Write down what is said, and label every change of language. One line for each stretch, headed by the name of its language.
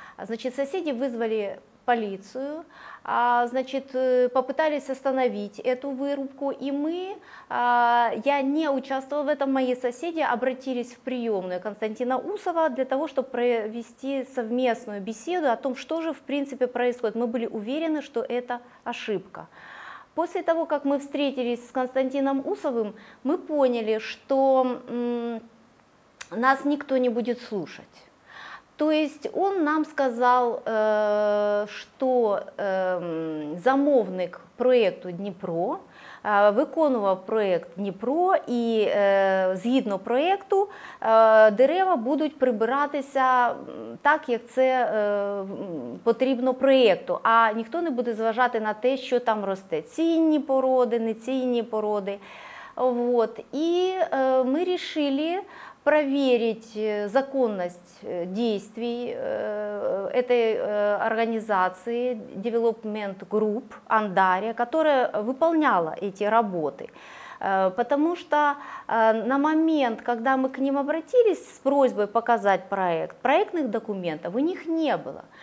Russian: Значит, соседи вызвали полицию, значит, попытались остановить эту вырубку, и мы, я не участвовала в этом, мои соседи обратились в приемную Константина Усова для того, чтобы провести совместную беседу о том, что же в принципе происходит. Мы были уверены, что это ошибка. После того, как мы встретились с Константином Усовым, мы поняли, что нас никто не будет слушать. То есть он нам сказал, что
Ukrainian: замовник проекту Дніпро, виконував проект Дніпро, і згідно проекту дерева будуть прибиратися так, як це потрібно проекту, а ніхто не буде зважати на те, що там росте цінні породи, нецінні породи.
Russian: Вот.
Ukrainian: І ми вирішили
Russian: проверить законность действий этой организации Development Group Андария, которая выполняла эти работы. Потому что на момент, когда мы к ним обратились с просьбой показать проект, проектных документов у них не было.